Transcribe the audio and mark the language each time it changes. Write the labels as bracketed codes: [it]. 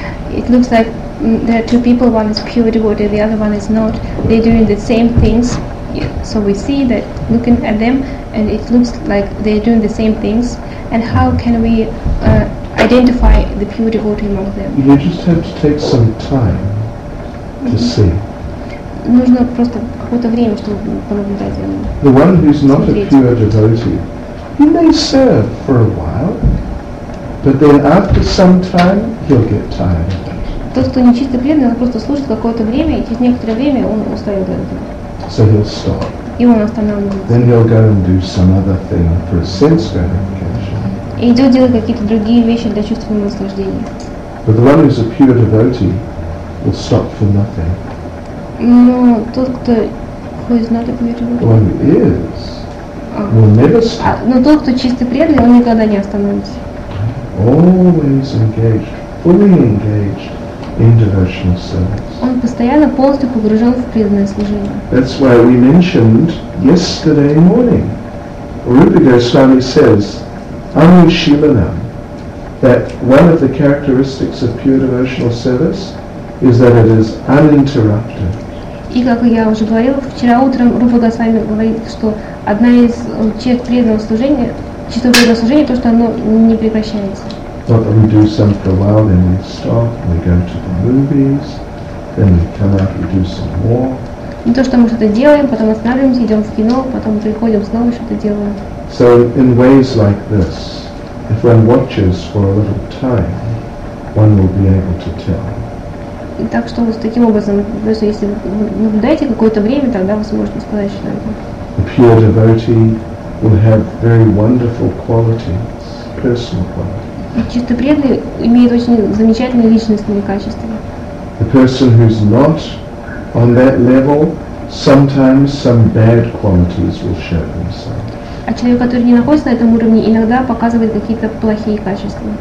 [en] It looks like there are two people, one is pure devotee, the other one is not. They're doing the same things. So we see that looking at them, and it looks like they're doing the same things. And how can we identify the pure devotee among them? You just have to take some time to see. [ru] Нужно просто какое-то время, чтобы понаблюдать за ним. [en] The one who's not a pure devotee, he may serve for a while, but then after some time, he'll get tired. [ru] Тот, кто нечистый преданный, он просто служит какое-то время, и через некоторое время он устает от этого. [en] So he'll stop. [ru] И он останавливается. [en] Then he'll go and do some other thing for a sense gratification. [ru] И идет делать какие-то другие вещи для чувственного наслаждения. [en] But the one who's a pure devotee will stop for nothing. [ru] Но тот, кто [en] who is not a pure devotee. The one who is will never stop. [ru] Но тот, кто чистый преданный, он никогда не остановится. [en] Always engaged, fully engaged. In devotional service. [ru] Он постоянно полностью погружен в преданное служение. [en] That's why we mentioned yesterday morning. Rupa Goswami says, "Anushilanam," that one of the characteristics of pure devotional service is that it is uninterrupted. [ru] И как я уже говорила вчера утром, Рупа Госвами говорит, что одна из черт преданного служения, чистого преданного служения, то, что оно не прекращается. [en] But we do some for a while, then we stop, we go to the movies, then we come out, we do some more. [ru] Не то, что мы что-то делаем, потом останавливаемся, идем в кино, потом приходим снова и что-то делаем. [en] So in ways like this, if one watches for a little time, one will be able to tell. [ru] Так что вот таким образом, если наблюдаете какое-то время, тогда вы сможете сказать, что это. [en] A pure devotee will have very wonderful qualities, personal qualities. [ru] Чисто преданный имеет очень замечательные личностные качества. [en] The person who's not on that level, sometimes some bad qualities will show themselves. [ru] А человек, который не находится на этом уровне, иногда показывает какие-то плохие качества.